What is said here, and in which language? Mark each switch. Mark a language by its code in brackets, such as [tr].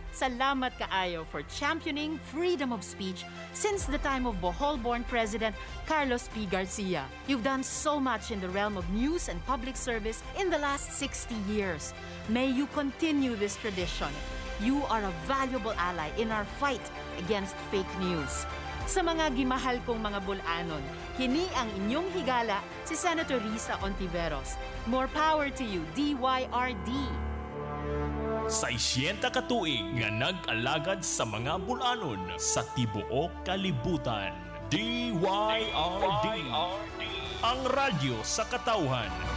[ceb] Salamat kaayo [en] for championing freedom of speech since the time of Bohol-born President Carlos P. Garcia. You've done so much in the realm of news and public service in the last 60 years. May you continue this tradition. You are a valuable ally in our fight against fake news. [ceb] Sa mga gimahal kong mga bulanon, kini ang inyong higala si Senator Risa Ontiveros. [en] More power to you, DYRD. [ceb] 600 ka tuig nga nag-alagad sa mga bulanon sa tibuok kalibutan. DYRD. Ang radyo sa katawhan.